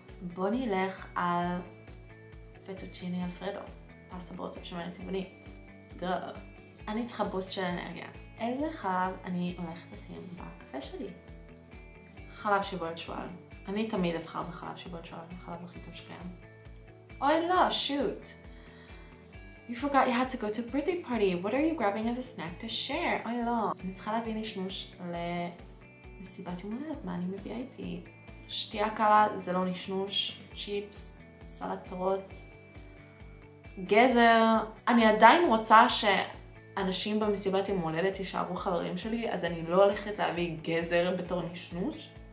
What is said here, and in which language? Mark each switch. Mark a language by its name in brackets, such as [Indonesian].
[Hebrew] בוא נלך על פטוצ'יני אלפרדו, פסטה ברוטב שמנת טבעונית. אני צריכה בוסט של אנרגיה. איזה חלב אני הולכת לשים בקפה שלי? חלב שיבולת שועל. אני תמיד אבחר בחלב שיבולת שועל, החלב הכי טוב שקיים. אוי לא, שוט! [English] You forgot you had to go to a birthday party. What are you grabbing as a snack to share? [Hebrew] אוי לא. אני צריכה להביא נשנוש למסיבת יום הולדת, מה אני מביאה איתי? שתייה קלה זה לא נשנוש, צ'יפס, סלט פירות, גזר. אני עדיין רוצה שאנשים במסיבת יום הולדת יישארו חברים שלי, אז אני לא הולכת להביא גזר בתור נשנוש.